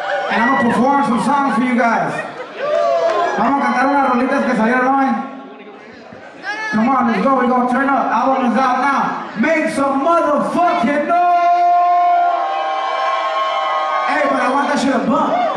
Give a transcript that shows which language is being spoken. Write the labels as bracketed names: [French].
[English] And I'm gonna perform some songs for you guys. [Spanish] Vamos a cantar unas rolitas que salieron hoy. [English] Come on, let's go, we're gonna turn up. Album is out now. Make some motherfucking noise! Hey, but I want that shit to bump.